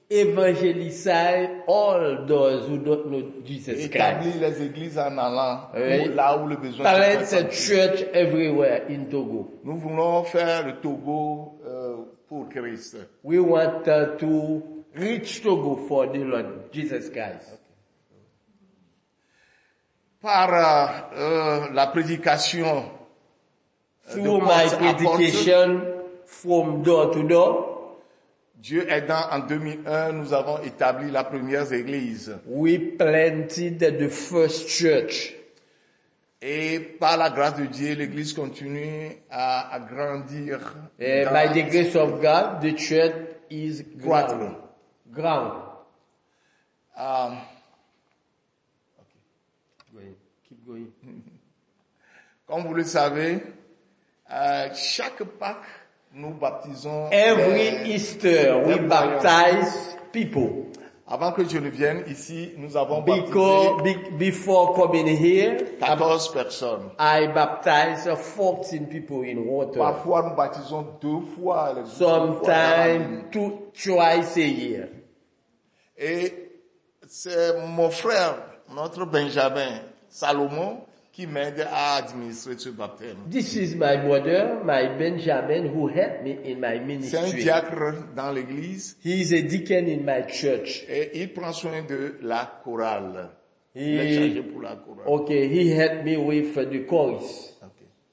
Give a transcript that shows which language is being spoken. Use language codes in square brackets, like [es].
[en] Evangelize all those who don't know Jesus Christ. [fr] Établir les églises en allant là où le besoin [en] est. Plant a church everywhere in Togo. [fr] Nous voulons faire le Togo pour Christ. [en] We want to reach Togo for the Lord Jesus Christ. [fr] Par la prédication. [en] Through my predication from door to door. [fr] Dieu aidant, en 2001, nous avons établi la première église. [en] We planted the first church. [fr] Et par la grâce de Dieu, l'église continue à grandir. [en] By the grace of God, the church is growing. Ground. Okay. Keep going. [fr] Comme vous le savez, chaque Pâques, nous baptisons. [en] Every Easter, we baptize people. [fr] Avant que je ne vienne ici, nous avons [en] Before coming here, [fr] 14 personnes. [en] I baptize 14 people in water. [fr] Parfois, nous baptisons deux fois. [en] Sometimes, twice a year. [fr] Et c'est mon frère, notre Benjamin Salomon, qui m'aide à administrer ce baptême. [en] This is my brother, my Benjamin, who helped me in my ministry. [fr] C'est un diacre dans l'église. [en] He is a deacon in my church. [fr] Et il prend soin de la chorale. Il est chargé pour la chorale. [en] Okay, he helped me with the chorus. Okay.